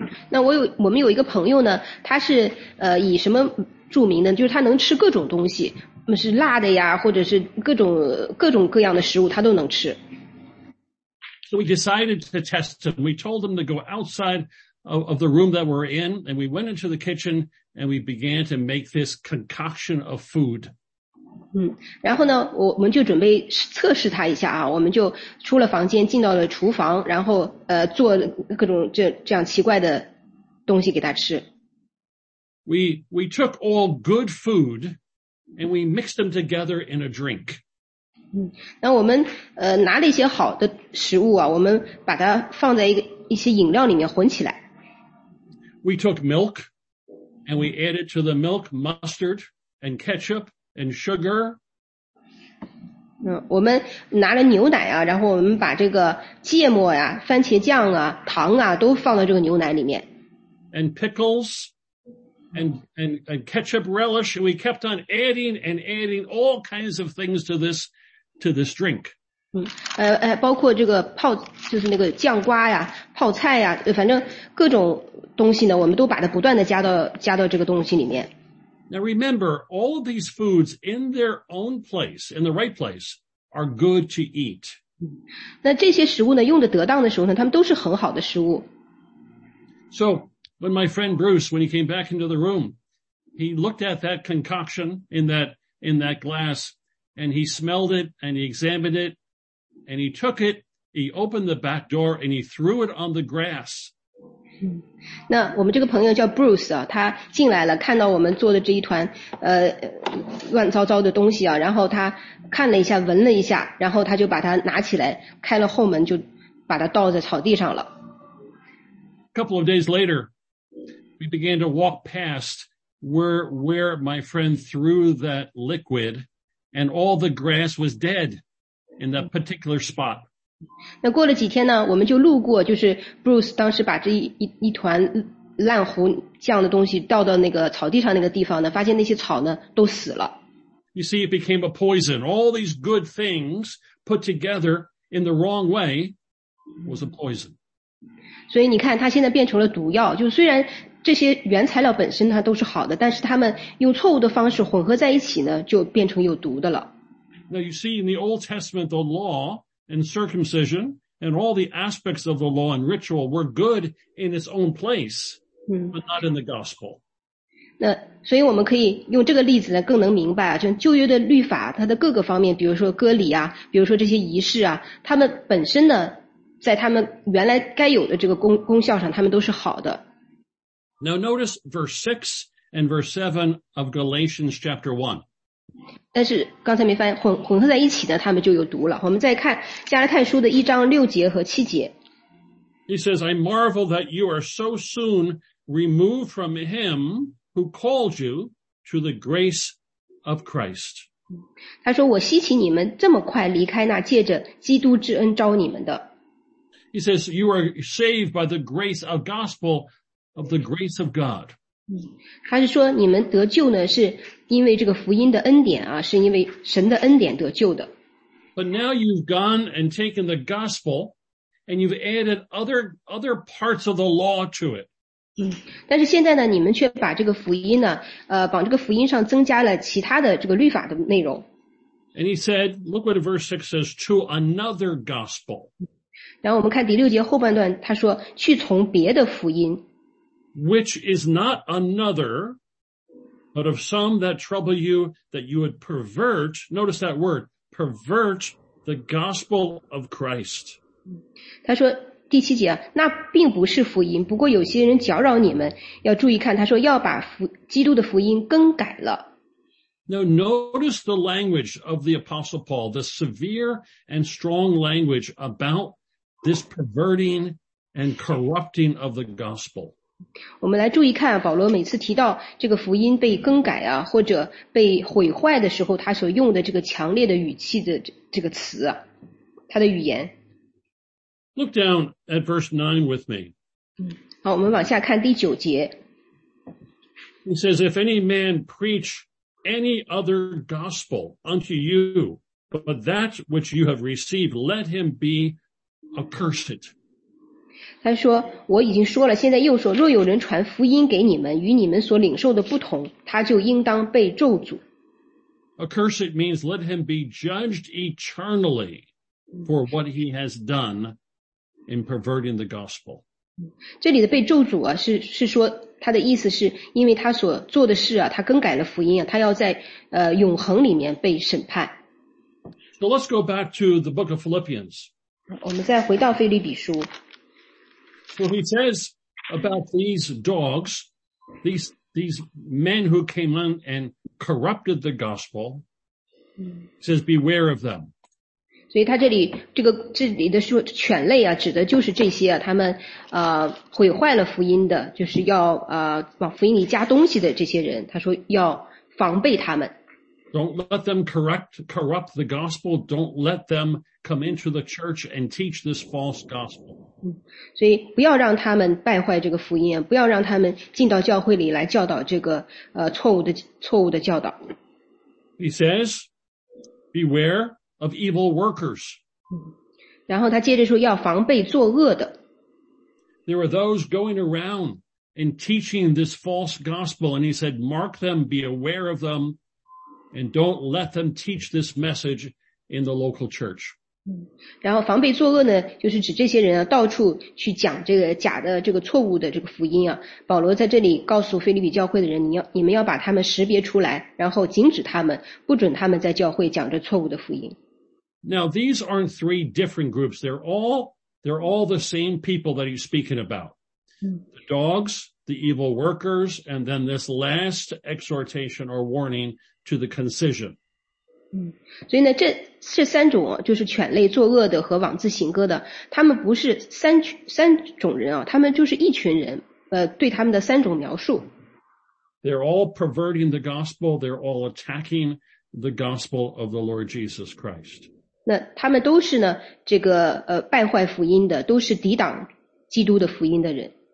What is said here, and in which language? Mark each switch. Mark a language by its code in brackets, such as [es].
[zh] 那我们有一个朋友呢，他是以什么著名呢？就是他能吃各种东西，是辣的呀，或者是各种各样的食物，他都能吃。 [en] So we decided to test him. We told him to go outside of the room that we're in, and we went into the kitchen and we began to make this concoction of food. [zh] 然后呢我们就准备测试他一下啊，我们就出了房间进到了厨房，然后做各种这样奇怪的东西给他吃。 [en] We took all good food and we mix them together in a drink. [zh] 那我们拿了一些好的食物啊，我们把它放在一些饮料里面混起来。 [en] We took milk and we added to the milk mustard and ketchup and sugar. [zh] 我们拿了牛奶啊，然后我们把这个芥末呀、番茄酱啊、糖啊都放到这个牛奶里面。 [en] And pickles and ketchup relish, and we kept on adding and adding all kinds of things to this drink. [zh] 包括这个泡，就是那个酱瓜呀、泡菜呀，反正各种东西呢，我们都把它不断的加到这个东西里面。 [en] Now remember, all of these foods in their own place, in the right place, are good to eat. [zh] 那这些食物呢，用的得当的时候呢，它们都是很好的食物。 [en] So, when my friend Bruce, when he came back into the room, he looked at that concoction in that glass, and he smelled it, and he examined it, and he took it, he opened the back door, and he threw it on the grass. [zh] 那我们这个朋友叫 Bruce 啊，他进来了，看到我们做的这一团乱糟糟的东西啊，然后他看了一下，闻了一下，然后他就把它拿起来，开了后门，就把它倒在草地上了。 [en] A couple of days later, we began to walk past where my friend threw that liquid, and all the grass was dead in that particular spot. [zh] 那过了几天呢，我们就路过，就是 Bruce 当时把这一团烂糊酱的东西倒到那个草地上那个地方呢，发现那些草呢都死了。 [en] You see, it became a poison. All these good things put together in the wrong way was a poison. [zh] 所以你看，它现在变成了毒药。就虽然这些原材料本身它都是好的，但是它们用错误的方式混合在一起呢，就变成有毒的了。 [en] Now you see, in the Old Testament, the law and circumcision and all the aspects of the law and ritual were good in its own place, but not in the gospel. [zh] 那所以我们可以用这个例子呢，更能明白啊，就旧约的律法它的各个方面，比如说割礼啊，比如说这些仪式啊，它们本身呢，在它们原来该有的这个功效上，它们都是好的。 [en] Now notice verse 6 and verse 7 of Galatians chapter 1. [zh] 但是刚才没发现混合在一起呢，他们就有毒了。我们再看加拉太书的一章六节和七节。 [en] He says, I marvel that you are so soon removed from him who called you to the grace of Christ. [zh] 他说我稀奇你们这么快离开那借着基督之恩招你们的。 [en] He says, you are saved by the grace of gospel. Of the grace of God. [zh] 他是说你们得救呢是因为这个福音的恩典啊，是因为神的恩典得救的。 [en] But now you've gone and taken the gospel and you've added other parts of the law to it. [zh] 但是现在呢，你们却把这个福音呢，往这个福音上增加了其他的这个律法的内容。 [en] And he said, look what verse 6 says, to another gospel. [zh] 然后我们看第六节后半段，他说去从别的福音。 [en] Which is not another, but of some that trouble you, that you would pervert, notice that word, pervert the gospel of Christ. [zh] 他说第七节，那并不是福音，不过有些人搅扰你们，要注意看，他说要把基督的福音更改了。 [en] Now notice the language of the Apostle Paul, the severe and strong language about this perverting and corrupting of the gospel. [zh] 我们来注意看、啊、保罗每次提到这个福音被更改啊，或者被毁坏的时候，他所用的这个强烈的语气的这个词、啊、他的语言。 [en] Look down at verse 9 with me. [zh] 好，我们往下看第九节。 [en] He says, if any man preach any other gospel unto you, but that which you have received, let him be accursed. [zh] 他说我已经说了现在又说若有人传福音给你们与你们所领受的不同他就应当被咒诅。 [en] Accursed means let him be judged eternally for what he has done in perverting the gospel. [zh] 这里的被咒诅啊是说他的意思是因为他所做的事啊他更改了福音啊他要在永恒里面被审判。 [en] So let's go back to the book of Philippians. [zh] 我们再回到腓立比书。 [en] So he says about these dogs, these men who came in and corrupted the gospel. It says, beware of them. [zh] 所以他这里这里的说犬类啊，指的就是这些啊，他们毁坏了福音的，就是要往福音里加东西的这些人，他说要防备他们。 [en] Don't let them corrupt the gospel. Don't let them come into the church and teach this false gospel. [zh] 所以不要让他们败坏这个福音，不要让他们进到教会里来教导这个错误的教导。 [en] He says, beware. Of evil workers. [zh] 然后他接着说要防备作恶的。 [en] There are those going around and teaching this false gospel, and he said, mark them, be aware of them, and don't let them teach this message in the local church. [zh] 然后防备作恶呢，就是指这些人啊，到处去讲这个假的、这个错误的这个福音啊。保罗在这里告诉腓立比教会的人，你们要把他们识别出来，然后禁止他们，不准他们在教会讲这错误的福音。 [en] Now, these aren't three different groups. They're all the same people that he's speaking about. The dogs, the evil workers, and then this last exhortation or warning to the concision. [zh] 所以呢这三种就是犬类作恶的和枉自行割的。他们不是三种人啊，他们就是一群人对他们的三种描述。 [en] They're all perverting the gospel. They're all attacking the gospel of the Lord Jesus Christ. [zh] 那他们都是呢这个败坏福音的，都是抵挡基督的福音的人。